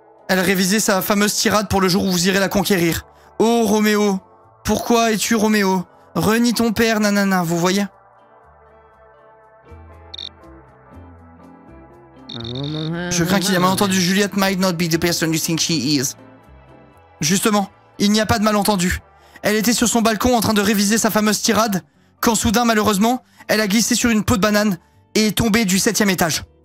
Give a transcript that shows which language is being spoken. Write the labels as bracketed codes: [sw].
[fr] Elle révisait sa fameuse tirade pour le jour où vous irez la conquérir. « Oh, Roméo, pourquoi es-tu Roméo? Renie ton père, nanana, vous voyez ?» Je crains qu'il y ait malentendu. [en] Juliette might not be the person you think she is. [fr] Justement, il n'y a pas de malentendu. Elle était sur son balcon en train de réviser sa fameuse tirade, quand soudain, malheureusement, elle a glissé sur une peau de banane et est tombée du 7e étage.